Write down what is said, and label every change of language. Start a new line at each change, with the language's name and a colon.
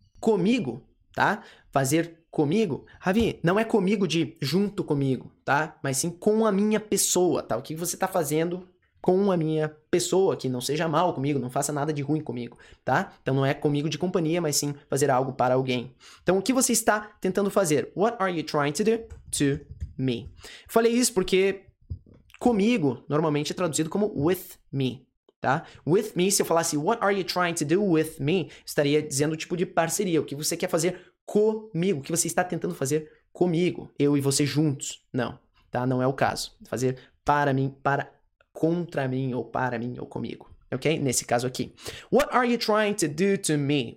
Portuguese: Comigo, tá? Fazer comigo. Ravi, não é comigo de junto comigo, tá? Mas sim com a minha pessoa, tá? O que você está fazendo com a minha pessoa, que não seja mal comigo, não faça nada de ruim comigo, tá? Então, não é comigo de companhia, mas sim fazer algo para alguém. Então, o que você está tentando fazer?
English: What are you trying to do to me?
Portuguese: Falei isso porque comigo, normalmente, é traduzido como
English: with me,
Portuguese: tá? With me, se eu falasse
English: what are you trying to do with me,
Portuguese: estaria dizendo o tipo de parceria, o que você quer fazer comigo, o que você está tentando fazer comigo, eu e você juntos. Não, tá? Não é o caso. Fazer para mim, para contra mim, ou para mim, ou comigo. Ok? Nesse caso aqui.
English: What are you trying to do to me?